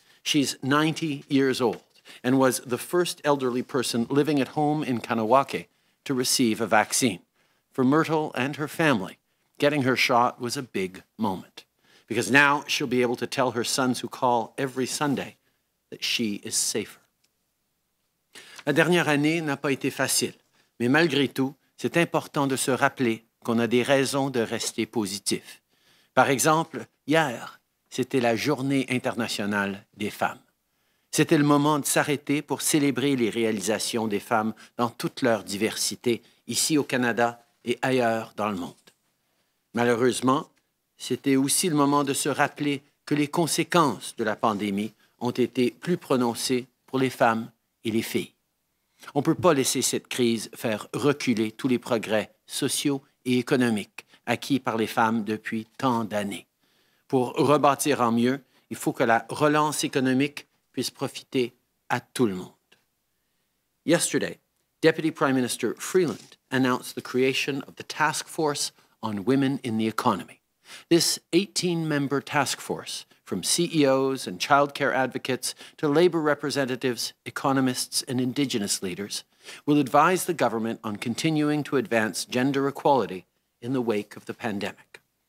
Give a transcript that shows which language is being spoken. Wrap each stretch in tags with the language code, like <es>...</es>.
<en>She's 90 years old and was the first elderly person living at home in Kahnawake to receive a vaccine. For Myrtle and her family, getting her shot was a big moment because now she'll be able to tell her sons who call every Sunday that she is safer.</en> <fr>La dernière année n'a pas été facile, mais malgré tout, c'est important de se rappeler qu'on a des raisons de rester positif. Par exemple, hier, c'était la Journée internationale des femmes. C'était le moment de s'arrêter pour célébrer les réalisations des femmes dans toute leur diversité, ici au Canada et ailleurs dans le monde. Malheureusement, c'était aussi le moment de se rappeler que les conséquences de la pandémie ont été plus prononcées pour les femmes et les filles. On ne peut pas laisser cette crise faire reculer tous les progrès sociaux et économiques acquis par les femmes depuis tant d'années. Pour rebâtir en mieux, il faut que la relance économique puisse profiter à tout le monde.</fr> <en>Yesterday, Deputy Prime Minister Freeland announced the creation of the Task Force on Women in the Economy. This 18-member task force, from CEOs and childcare advocates to labor representatives, economists, and Indigenous leaders, will advise the government on continuing to advance gender equality in the wake of the pandemic.</en>